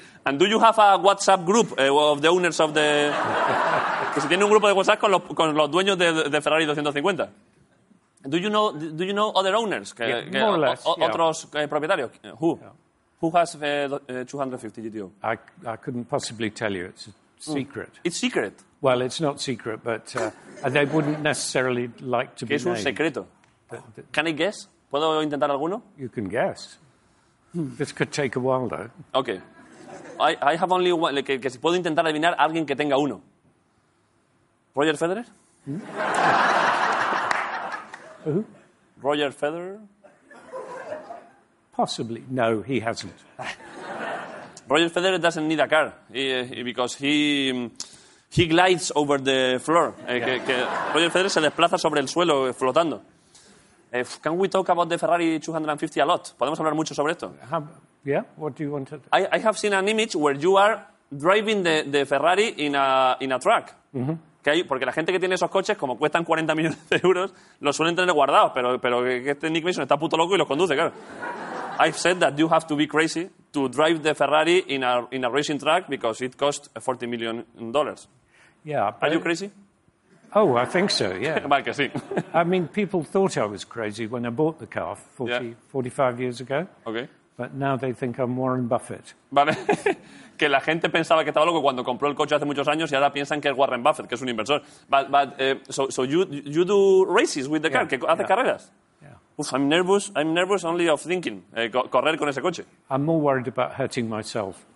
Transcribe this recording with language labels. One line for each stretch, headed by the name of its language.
English: And do you have a WhatsApp group of the owners of the...
Spanish: Que si tiene un grupo de WhatsApp con los dueños de Ferrari 250.
English: Do you know other owners? Yeah, que, more or less. Yeah.
Spanish: Otros propietarios.
English: Who? Yeah. Who has 250 GTO? I couldn't possibly tell you. It's a secret. Mm. It's secret. Well, it's not secret, but they wouldn't necessarily like to
Spanish: que
English: be
Spanish: es un
English: named.
Spanish: Secreto. The...
English: Can I guess?
Spanish: ¿Puedo intentar alguno?
English: You can guess. This could take a while, though. Okay. I have only one.
Spanish: Que si puedo intentar adivinar a alguien que tenga uno.
English: Roger Federer. Uh-huh. Roger Federer? Possibly. No, he hasn't. Roger Federer doesn't need a car because he glides over the floor. Yeah.
Spanish: Que Roger Federer se desplaza sobre el suelo flotando.
English: Can we talk about the Ferrari 250 a lot?
Spanish: ¿Podemos hablar mucho sobre esto?
English: Yeah, what do you want to... I have seen an image where you are driving the Ferrari in a truck. Mm-hmm.
Spanish: Porque la gente que tiene esos coches, como cuestan 40 millones de euros, los suelen tener guardados. Pero este Nick Mason está puto loco y los conduce, claro.
English: I've said that you have to be crazy to drive the Ferrari in a racing track because it costs $40 million. Yeah. But... Are you crazy? Oh, I think so, yeah.
Spanish: Vale, que sí.
English: I mean, people thought I was crazy when I bought the car 45 years ago. Okay. But now they think I'm Warren Buffett.
Spanish: Vale. Que la gente pensaba que estaba loco cuando compró el coche hace muchos años y ahora piensan que es Warren Buffett, que es un inversor.
English: But you do races with the car,
Spanish: que hace carreras.
English: Yeah. Uf, I'm nervous only of thinking,
Spanish: correr con ese coche.
English: I'm more worried about hurting myself.